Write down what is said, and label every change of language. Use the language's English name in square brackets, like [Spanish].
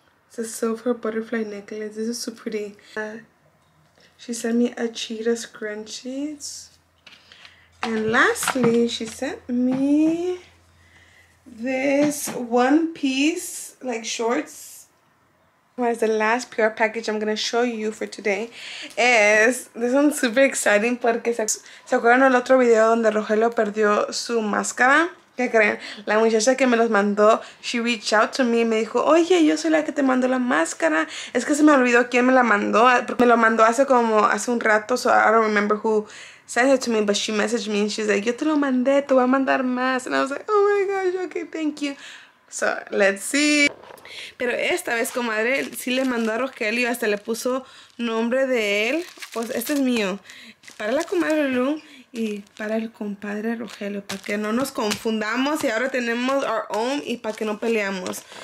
[English] It's a silver butterfly necklace. This is so pretty. She sent me a cheetah scrunchie. And lastly, she sent me this one piece, like shorts. What is the last PR package I'm going to show you for today? Is this one super exciting? [Spanish] Porque se acuerdan el otro video donde Rogelio perdió su máscara? ¿Qué creen? La muchacha que me los mandó, [English] she reached out to me [Spanish] y me dijo, oye, yo soy la que te mandó la máscara. Es que se me olvidó quién me la mandó. Me lo mandó hace un rato, [English] so I don't remember who sent it to me, but she messaged me and she's like, [Spanish] yo te lo mandé, te voy a mandar más. [English] And I was like, oh my gosh, okay, thank you. So, let's see. [Spanish] Pero esta vez, comadre, sí le mandó a Rogelio, hasta le puso nombre de él. Pues este es mío. Para la comadre Lulú. Y para el compadre Rogelio, para que no nos confundamos y ahora tenemos [English] our own [Spanish] y para que no peleamos.